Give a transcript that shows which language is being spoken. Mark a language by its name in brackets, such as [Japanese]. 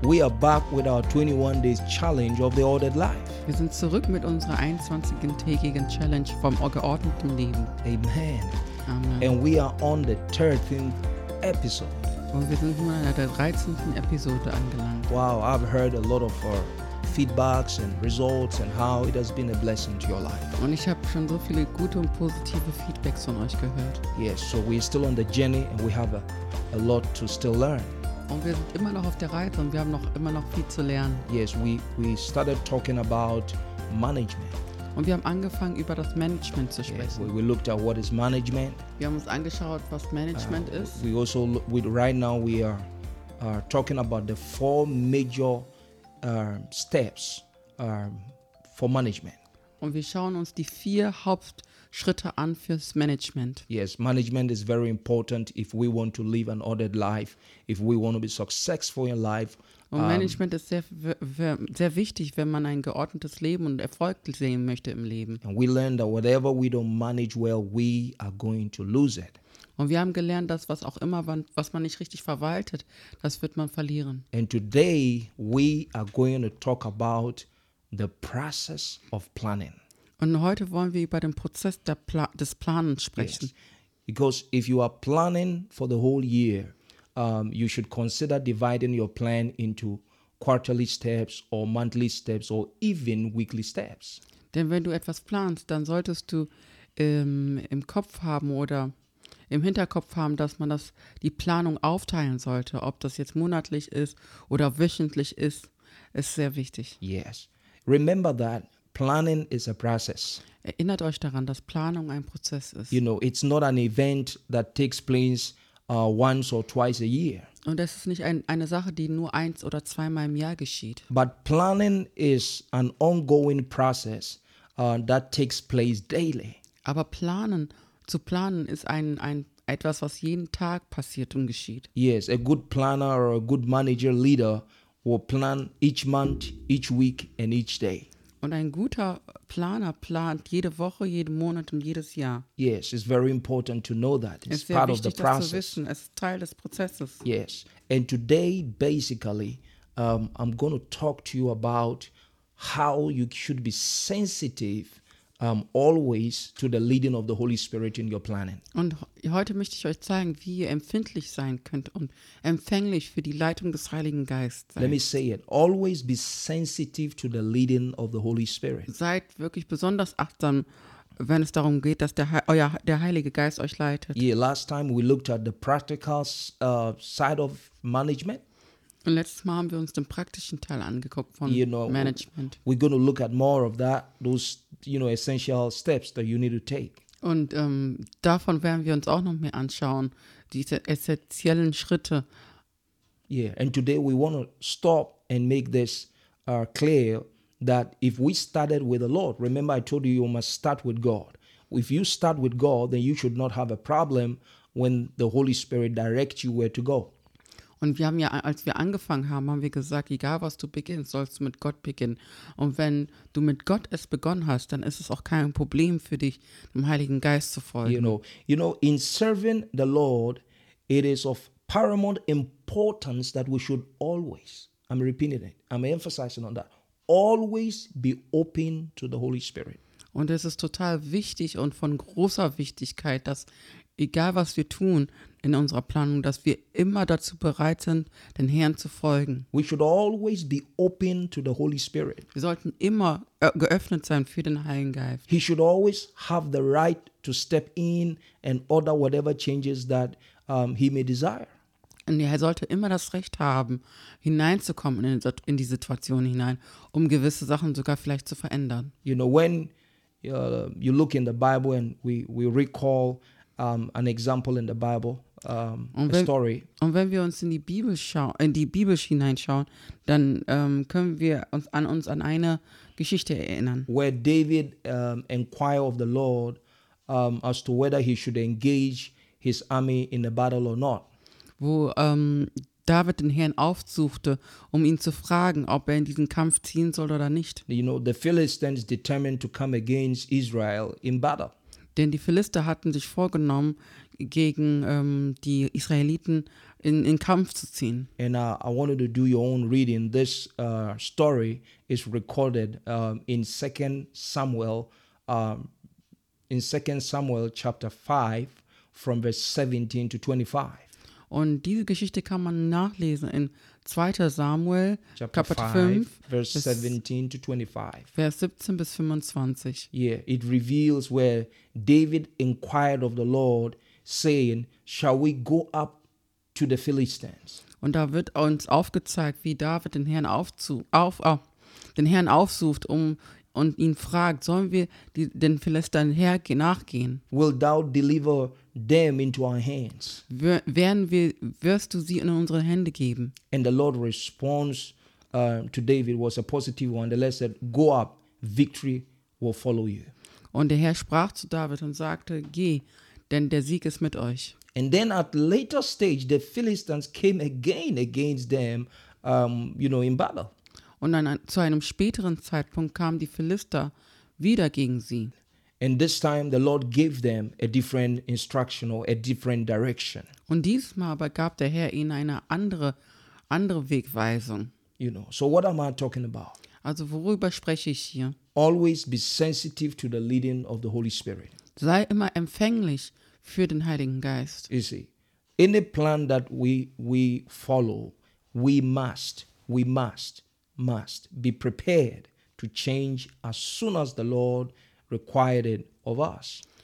[English] We are back with our 21 days challenge of the ordered life. [German] Wir sind zurück mit unserer 21-tägigen Challenge vom geordneten Leben. [English] Amen. [German] Amen. [English] And we are on the 13th episode. [German] Und wir sind nun an der 13. Episode angelangt. [English] Wow, I've heard a lot of our feedbacks and results and how it has been a blessing to your life. [German] Und ich habe schon so viele gute und positive Feedbacks von euch gehört. [English] Yes, so we're still on the journey and we have a lot to still learn. [German] Und wir sind immer noch auf der Reise und wir haben immer noch viel zu lernen. [English] Yes, we started talking about management. [German] Und wir haben angefangen, über das Management zu sprechen. [English] Yes, we looked at what is management. [German] Wir haben uns angeschaut, was Management ist. [English] We are talking about the four major steps for management. [German] Und wir schauen uns die vier Hauptschritte an fürs Management. [English] Yes, management is very important if we want to live an ordered life, if we want to be successful in life. [German] Und Management ist sehr wichtig, wenn man ein geordnetes Leben und Erfolg sehen möchte im Leben. [English] And we learned that whatever we don't manage well, we are going to lose it. [German] Und wir haben gelernt, dass was auch immer, was man nicht richtig verwaltet, das wird man verlieren. [English] And today we are going to talk about the process of planning. [German] Und heute wollen wir über den Prozess des Planens sprechen. [English] Yes. Because if you are planning for the whole year, you should consider dividing your plan into quarterly steps or monthly steps or even weekly steps. [German] Denn wenn du etwas planst, dann solltest du im Kopf haben oder im Hinterkopf haben, dass man die Planung aufteilen sollte, ob das jetzt monatlich ist oder wöchentlich ist, ist sehr wichtig. [English] Yes. Remember that planning is a process. [German] Erinnert euch daran, dass Planung ein Prozess ist. [English] You know, it's not an event that takes place once or twice a year. [German] Und das ist nicht eine Sache, die nur eins oder zweimal im Jahr geschieht. [English] But planning is an ongoing process that takes place daily. [German] Aber zu planen ist ein etwas, was jeden Tag passiert und geschieht. [English] Yes, a good planner or a good manager leader will plan each month, each week and each day. [German] Und ein guter Planer plant jede Woche, jeden Monat und jedes Jahr. [English] Yes, it's very important to know that. It's part wichtig, of the process. [German] Es ist sehr wichtig, das zu wissen. Es ist Teil des Prozesses. [English] Yes, and today basically I'm going to talk to you about how you should be sensitive always to the leading of the Holy Spirit in your planning. [German] Und heute möchte ich euch zeigen, wie ihr empfindlich sein könnt und empfänglich für die Leitung des Heiligen Geistes seid. [English] Let me say it. Always be sensitive to the leading of the Holy Spirit. [German] Seid wirklich besonders achtsam, wenn es darum geht, dass der Heilige Geist euch leitet. [English] Yeah, last time we looked at the practical side of management. [German] Und letztes Mal haben wir uns den praktischen Teil angeguckt von Management. [English] We're going to look at more of that, those, you know, essential steps that you need to take. [German] Und davon werden wir uns auch noch mehr anschauen, diese essentiellen Schritte. [English] Yeah, and today we want to stop and make this clear that if we started with the Lord, remember I told you, you must start with God. If you start with God, then you should not have a problem when the Holy Spirit directs you where to go. [German] Und wir haben ja, als wir angefangen haben, haben wir gesagt, egal was du beginnst, sollst du mit Gott beginnen. Und wenn du mit Gott es begonnen hast, dann ist es auch kein Problem für dich, dem Heiligen Geist zu folgen. [English] You know, in serving the Lord, it is of paramount importance that we should always, I'm repeating it, I'm emphasizing on that, always be open to the Holy Spirit. [German] Und es ist total wichtig und von großer Wichtigkeit, dass egal was wir tun in unserer Planung, dass wir immer dazu bereit sind, den Herrn zu folgen. [English] We should always be open to the Holy Spirit. [German] Wir sollten immer geöffnet sein für den Heiligen Geist. [English] He should always have the right to step in and order whatever changes that he may desire. [German] Und er sollte immer das Recht haben, hineinzukommen in die Situation hinein, um gewisse Sachen sogar vielleicht zu verändern. [English] You know, when you look in the Bible and we recall an example in the Bible, a story. [German] Und wenn wir uns in die Bibel hineinschauen, dann können wir uns an eine Geschichte erinnern. [English] Where David inquired of the Lord as to whether he should engage his army in the battle or not. [German] Wo David den Herrn aufsuchte, um ihn zu fragen, ob er in diesen Kampf ziehen soll oder nicht. [English] You know, the Philistines determined to come against Israel in battle. [German] Denn die Philister hatten sich vorgenommen, gegen die Israeliten in Kampf zu ziehen. [English] And I wanted to do your own reading. This story is recorded in 2 Samuel, in 2 Samuel chapter 5 from verse 17 to 25. [German] Und diese Geschichte kann man nachlesen in 2. Samuel, Kapitel 5, [English] Vers 17 to 25. [German] Vers 17 bis 25. [English] Yeah, it reveals where David inquired of the Lord, saying, shall we go up to the Philistines? [German] Und da wird uns aufgezeigt, wie David den Herrn aufsucht und ihn fragt, sollen wir den Philistern nachgehen? [English] Will thou deliver them into our hands? [German] Wirst du sie in unsere Hände geben? [English] And the Lord's response to David was a positive one. The Lord said, go up, victory will follow you. [German] Und der Herr sprach zu David und sagte, geh, denn der Sieg ist mit euch. [English] And then at later stage, the Philistines came again against them, you know, in battle. [German] Und dann zu einem späteren Zeitpunkt kamen die Philister wieder gegen sie. [English] And this time the Lord gave them a different instruction or a different direction. [German] Und diesmal aber gab der Herr ihnen eine andere Wegweisung. [English] You know, so what am I talking about? [German] Also worüber spreche ich hier? [English] Always be sensitive to the leading of the Holy Spirit. [German] Sei immer empfänglich für den Heiligen Geist. [English] You see, any plan that we follow, we must be prepared to change as soon as the Lord required it of us.